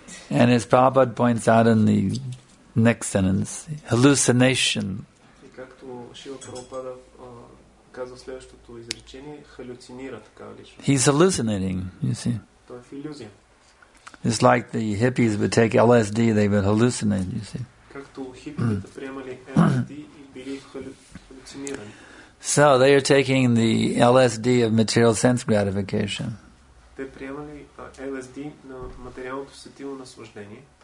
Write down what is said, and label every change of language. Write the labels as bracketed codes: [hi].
[en] And as Prabhupada points out in the next sentence, hallucination. [bg] И както Шива Прабхупада казва следващото изречение, халюцинира така лично. [en] He's hallucinating, you see. [bg] Той е в иллюзия. [en] It's like the hippies would take LSD, they would hallucinate, you see. [bg] Както хипите приемали LSD и били халюцинирани. [en] So they are taking the LSD of material sense gratification. [bg] Те приемали LSD на материалното сетило наслаждение.